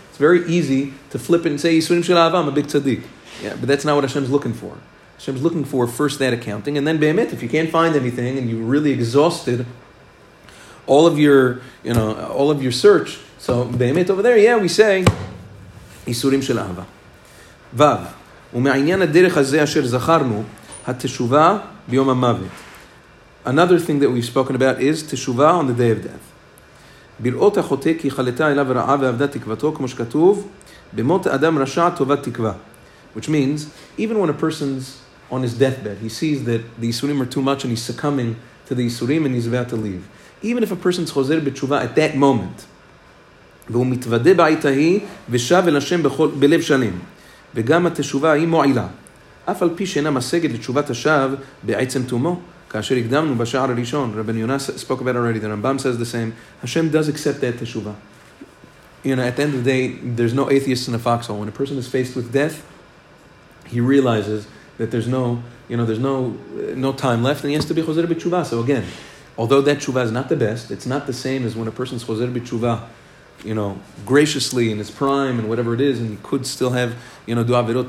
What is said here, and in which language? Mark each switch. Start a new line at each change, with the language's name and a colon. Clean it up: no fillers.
English: It's very easy to flip it and say, Yisurim Shel Ahava, I'm a big tzaddik. Yeah, but that's not what Hashem's looking for. Hashem's looking for first that accounting, and then be'emet, if you can't find anything and you really exhausted all of your, you know, all of your search, so be'emet over there, yeah, we say Yisurim Shel Ahava.
Hebrew: Vav, ומעניין הדרך הזה אשר זכרנו, התשובה ביום המוות.
English: Another thing that we've spoken about is teshuvah on the day of death.
Hebrew: בראות החוטא כי חלתה אליו רעה ועבדה תקוותו, כמו שכתוב, במות אדם רשע טובת תקווה.
English: Which means, even when a person's on his deathbed, he sees that the Yisurim are too much and he's succumbing to the Yisurim and he's about to leave. Even if a person's chozer b'tshuva at that moment,
Hebrew: והוא מתוודה בעית ההיא ושב אל השם בלב שלם, וגם התשובה היא מועילה, אף על פי שאינה משגת לתשובת השב בעצם תומו, כאשר הקדמנו בשער הראשון, רבן יונס
English: spoke about already, the Rambam says the same, Hashem does accept that
Hebrew: תשובה.
English: You know, at the end of the day, there's no atheists in a foxhole. When a person is faced with death, he realizes that there's no, you know, there's no time left, and he has to be chozer b'tshuva. So again, although that tshuva is not the best, it's not the same as when a person's chozer b'tshuva, you know, graciously in his prime and whatever it is, and he could still have, you know, do avirot.